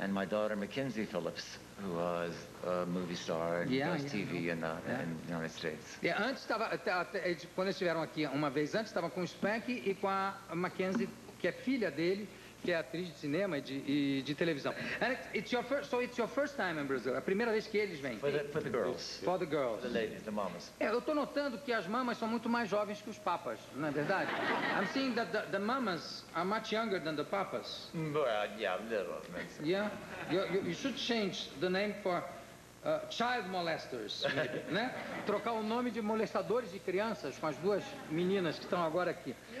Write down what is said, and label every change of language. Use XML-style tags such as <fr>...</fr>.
<en>and my daughter Mackenzie Phillips, who was a movie star and does TV in the United States.</en> <pt>Yeah, antes estava, quando eles estiveram aqui uma vez antes, estava com o Spanky e com a Mackenzie, que é filha dele, que é atriz de cinema e de televisão.</pt> <en>And it's your first time in Brazil.</en> <pt>A primeira vez que eles vêm.</pt> <en>For the girls. For the girls. The ladies, the mamas.</en> <pt>É, eu estou notando que as mamas são muito mais jovens que os papas, não é verdade?</pt> <en>I'm seeing that the mamas are much younger than the papas. Yeah, a little. Maybe. Yeah? You should change the name for child molesters, maybe, né?</en> <pt>Trocar o nome de molestadores de crianças com as duas meninas que estão agora aqui.</pt>